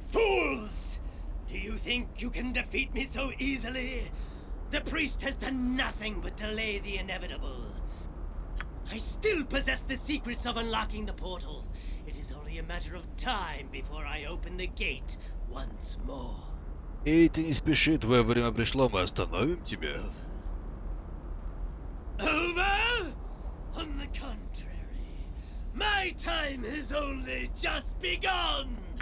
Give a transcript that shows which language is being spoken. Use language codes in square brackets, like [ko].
[en] Fools! Do you think you can defeat me so easily? The priest has done nothing but delay the inevitable. I still possess the secrets of unlocking the portal. It is only a matter of time before I open the gate once more. [ru] Эй, ты не спеши, твое время пришло, мы остановим тебя. [en] Over? On the contrary, my time has only just begun.